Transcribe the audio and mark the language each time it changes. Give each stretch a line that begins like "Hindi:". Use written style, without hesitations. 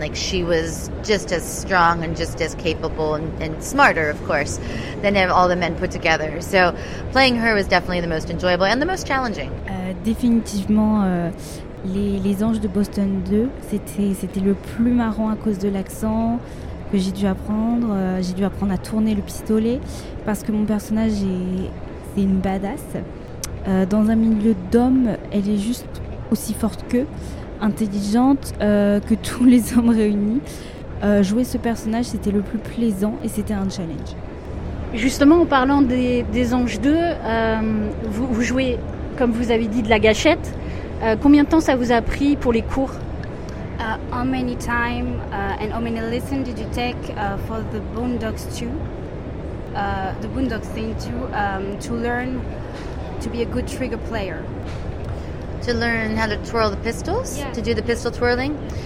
English: Like, she was just as strong and just as capable and smarter, of course, than all the men put together. So playing her was definitely the most enjoyable and the most challenging.
French: Définitivement, les anges de Boston 2, c'était le plus marrant à cause de l'accent que j'ai dû apprendre. J'ai dû apprendre à tourner le pistolet parce que mon personnage c'est une badass. Dans un milieu d'hommes, elle est juste aussi forte qu'eux, intelligente que tous les hommes réunis. Jouer ce personnage, c'était le plus plaisant et c'était un challenge. Justement, en parlant des anges 2, vous jouez, comme vous avez dit, de la gâchette. Combien de temps ça vous a pris pour les cours?
English: How many time and how many lessons did you take for the Boondocks 2? The Boondocks thing too, to learn to be a good trigger player. To learn how to twirl the pistols? Yeah. To do the pistol twirling?